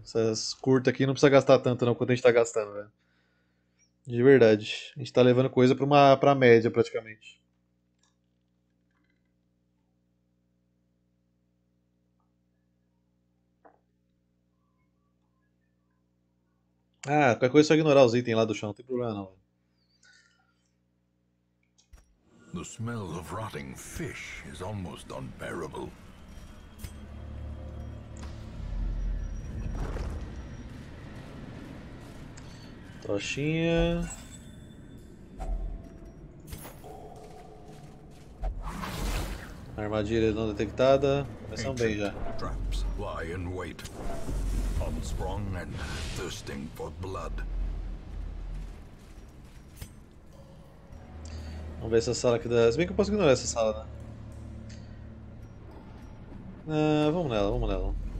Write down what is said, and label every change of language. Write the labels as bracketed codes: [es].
[pt] Essas curtas aqui não precisa gastar tanto não quanto a gente tá gastando, velho. De verdade. A gente tá levando coisa pra média praticamente. Ah, qualquer coisa é só ignorar os itens lá do chão, não tem problema não. [en] The smell of rotting fish is almost unbearable. [pt] Tochinha. Armadilha não detectada. Começamos bem já. [en] Traps lie in wait. Unsprung and thirsting for blood. [pt] Vamos ver essa sala aqui da. Se bem que eu posso ignorar essa sala, né? Vamos nela, vamos nela.